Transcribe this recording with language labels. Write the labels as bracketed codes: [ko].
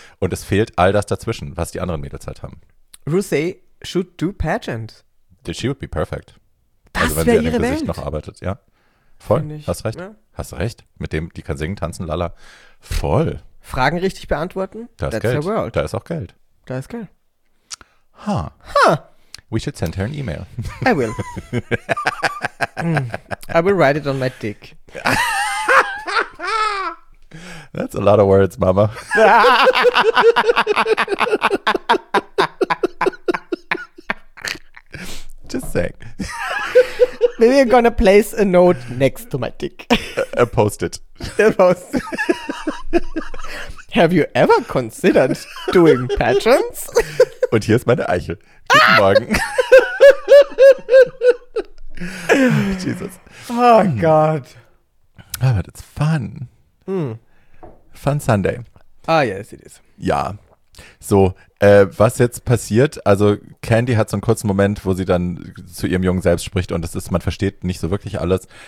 [de] Und es fehlt all das dazwischen, was die anderen Mädels halt haben. [en] Rosé should do pageant. She would be perfect. [de] Das also, wenn sie an ihrem Gesicht noch arbeitet, ja. Voll. Hast recht. Ja. Hast recht. Mit dem, die kann singen, tanzen, lala. Voll. Fragen richtig beantworten. Da ist Geld. World. Da ist auch Geld. Da ist Geld. Ha. Huh. Ha. [en] We should send her an email. I will. I will write it on my dick. That's a lot of words, Mama. Just saying. Maybe I'm gonna place a note next to my dick. A post-it. A post-it. Have you ever considered doing pageants? [de] Und hier ist meine Eichel. Guten Morgen. [en] Jesus. [de] Oh Gott. [en] Oh, but it's fun. Mm. Fun Sunday. Ah, yes, it is. [de] Ja. So, was jetzt passiert, also Candy hat so einen kurzen Moment, wo sie dann zu ihrem Jungen selbst spricht und das ist, man versteht nicht so wirklich alles.